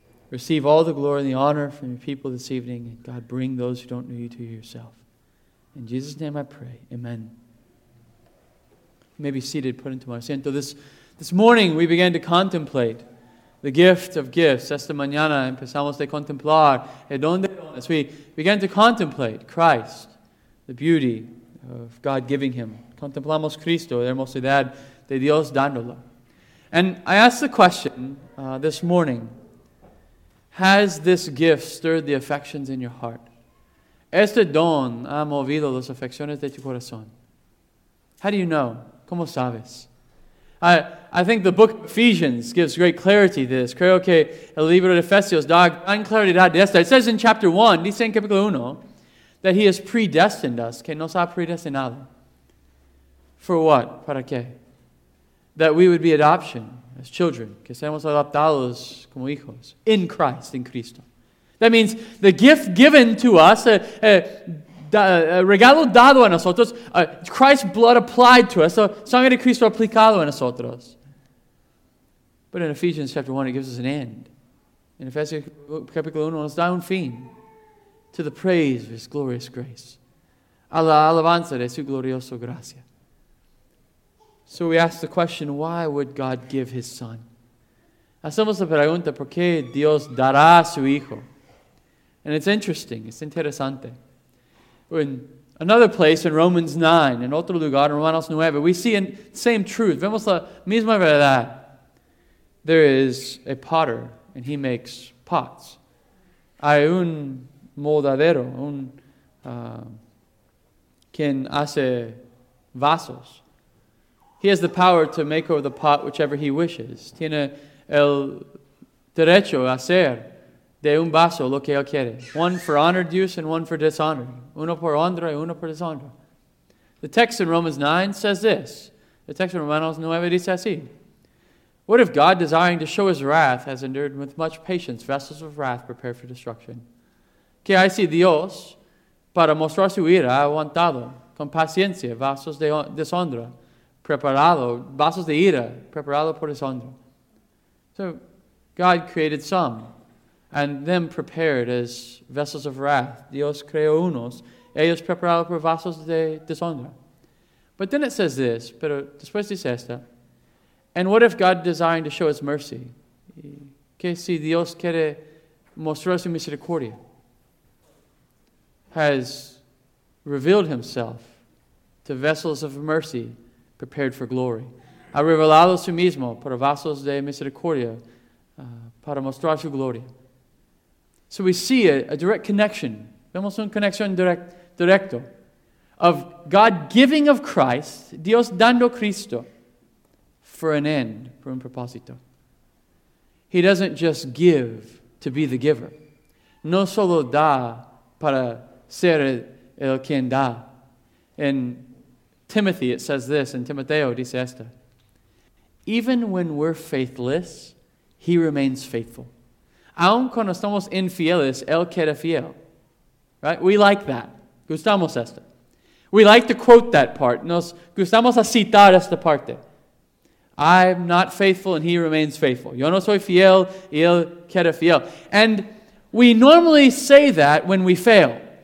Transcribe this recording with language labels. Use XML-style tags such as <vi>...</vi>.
<en>Receive all the glory and the honor from your people this evening. And God, bring those who don't know you to yourself. In Jesus' name I pray. Amen. You may be seated, put into my asiento. This morning we began to contemplate the gift of gifts.</en> <es>Esta mañana empezamos a contemplar el don de dones.</es> <en>We began to contemplate Christ, the beauty of God giving him.</en> <es>Contemplamos Cristo, la hermosidad de Dios dándolo.</es> <en>And I asked the question this morning, has this gift stirred the affections in your heart?</en> <es>Este don ha movido las afecciones de tu corazón.</es> <en>How do you know?</en> <es>¿Cómo sabes?</es> <en>I think the book of Ephesians gives great clarity to this.</en> <es>Creo que el libro de Efesios da gran claridad de esto.</es> <en>It says in chapter 1,</en> <es>dice en capítulo 1,</es> <en>that he has predestined us,</en> <es>que nos ha predestinado.</es> <en>For what?</en> <es>Para qué?</es> <en>That we would be adoption as children.</en> <es>Que seamos adoptados como hijos.</es> <en>In Christ,</en> <es>in Cristo.</es> <en>That means the gift given to us,</en> <es>regalo dado a nosotros,</es> <en>Christ's blood applied to us,</en> <es>sangre de Cristo aplicado a nosotros.</es> <en>But in Ephesians chapter 1, it gives us an end. In Ephesians</en> <es>capítulo 1, nos da un fin</es> <en>to the praise of his glorious grace.</en> <es>A la alabanza de su glorioso gracia.</es> <en>So we ask the question, why would God give his son?</en> <es>Hacemos la pregunta, ¿por qué Dios dará a su hijo?</es> <en>And it's interesting, it's interesante. In another place in Romans 9,</en> <es>en otro lugar, en Romanos 9,</es> <en>we see the same truth.</en> <es>Vemos la misma verdad.</es> <en>There is a potter, and he makes pots.</en> <es>Hay un moldadero, quien hace vasos.</es> <en>He has the power to make over the pot whichever he wishes.</en> <es>Tiene el derecho a hacer de un vaso lo que él quiere.</es> <en>One for honored use and one for dishonor.</en> <es>Uno por honra y uno por deshonra.</es> <en>The text in Romans 9 says this. The text in Romanos 9</en> <es>dice así.</es> <en>What if God, desiring to show his wrath, has endured with much patience vessels of wrath prepared for destruction?</en> <es>Que hay si Dios, para mostrar su ira, ha aguantado con paciencia vasos de deshonra. Preparado, vasos de ira, preparado por deshonra.</es> <en>So God created some and them prepared as vessels of wrath.</en> <es>Dios creó unos, ellos prepararon por vasos de deshonra.</es> <en>But then it says this,</en> <es>pero después dice esta.</es> <en>And what if God designed to show his mercy?</en> <es>¿Qué si Dios quiere mostrar su misericordia?</es> <en>Has revealed himself to vessels of mercy prepared for glory.</en> <es>Ha revelado su mismo para vasos de misericordia para mostrar su gloria.</es> <en>So we see a direct connection.</en> <es>Vemos una conexión directo</es> <en>of God giving of Christ,</en> <es>Dios dando Cristo,</es> <en>for an end, for</en> <es>un propósito.</es> <en>He doesn't just give to be the giver.</en> <es>No solo da para ser el quien da.</es> <en>In Timothy, it says this,</en> <es>in Timoteo, dice esto.</es> <en>Even when we're faithless, he remains faithful.</en> <es>Aun cuando estamos infieles, él queda fiel.</es> <en>Right? We like that.</en> <es>Gustamos esto.</es> <en>We like to quote that part.</en> <es>Nos gustamos a citar esta parte.</es> <en>I'm not faithful and he remains faithful.</en> <es>Yo no soy fiel y él queda fiel.</es> <en>And we normally say that when we fail.</en>